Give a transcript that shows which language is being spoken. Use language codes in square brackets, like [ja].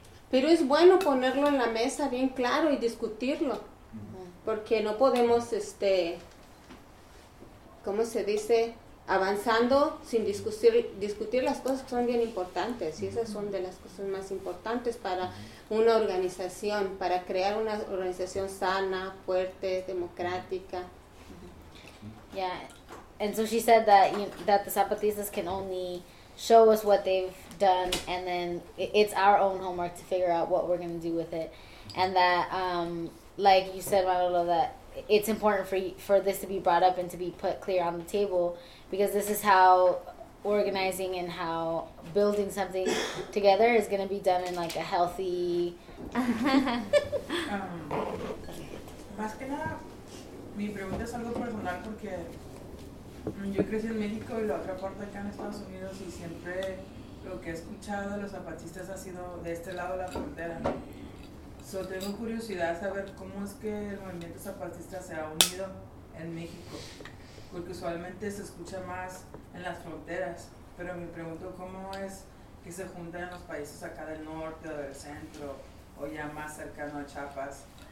[es] Pero es bueno ponerlo en la mesa bien claro y discutirlo, porque no podemos, ¿cómo se dice? Avanzando sin discutir las cosas que son bien importantes, y esas son de las cosas más importantes para una organización, para crear una organización sana, fuerte, democrática. [en] Yeah, and so she said that that the Zapatistas can only show us what they've done, and then it's our own homework to figure out what we're going to do with it. And that, like you said, Manolo, that it's important for this to be brought up and to be put clear on the table, because this is how organizing and how building something together is going to be done in like a healthy... [es] más que nada, mi pregunta sobre personal, porque... Yo crecí en México y la otra parte acá en Estados Unidos, y siempre lo que he escuchado de los zapatistas ha sido de este lado de la frontera. Solo tengo curiosidad saber cómo es que el movimiento zapatista se ha unido en México, porque usualmente se escucha más en las fronteras, pero me pregunto cómo es que se juntan los países acá del norte o del centro o ya más cercano a Chiapas.